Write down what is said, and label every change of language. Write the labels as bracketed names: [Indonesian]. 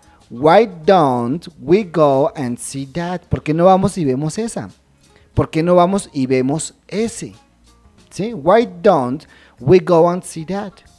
[English] Why don't we go and see that? [Spanish] ¿Por qué no vamos y vemos esa? ¿Por qué no vamos y vemos ese? ¿Sí? [English] Why don't we go and see that?